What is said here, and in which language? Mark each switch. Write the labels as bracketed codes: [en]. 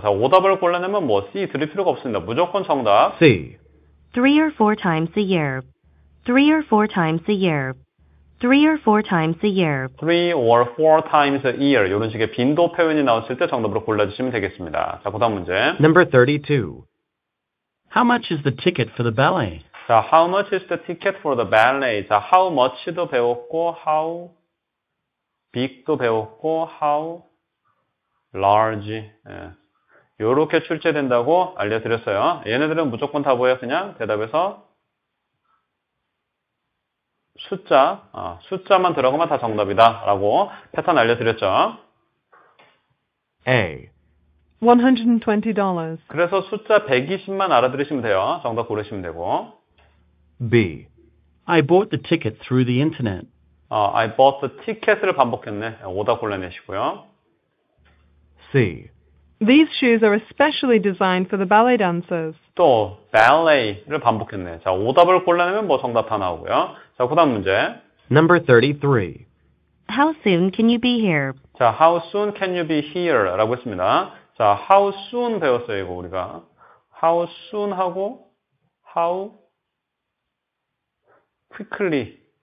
[ko] 자, 오답을 골라내면 뭐 C 드릴 필요가 없습니다. 무조건 정답. [en] C. Three or four times a year. Three or four times a year. Three or four times a year. Three or four times a year. [ko] 이런 식의 빈도 표현이 나왔을 때 정답으로 골라주시면 되겠습니다. 자, 그 다음 문제. [en] Number 32. How much is the ticket for the ballet? 자, how much is the ticket for the ballet? [ko] 자, how much도 배웠고, how big도 배웠고, how large. 예. 이렇게 출제된다고 알려드렸어요. 얘네들은 무조건 다 보여요. 그냥 대답해서. 숫자만 들어가면 다 정답이다 라고 패턴 알려드렸죠. [en] A. $120. [ko] 그래서 숫자 120만 알아들으시면 돼요. 정답 고르시면 되고. [en] B. I bought the ticket through the internet. I bought the ticket [ko] 을 반복했네. 오답 골라내시고요. [en] C. These shoes are especially designed for the ballet dancers. [ko] 또 ballet를 반복했네. 자, 오답을 골라내면 뭐 정답 다 나오고요. 자, 그 다음 문제. [en] Number 33. How soon can you be here? [ko] 자, [en] how soon can you be here? [ko] 라고 했습니다. 자, how soon 배웠어요, 이거 우리가. [en] How soon 하고, how quickly.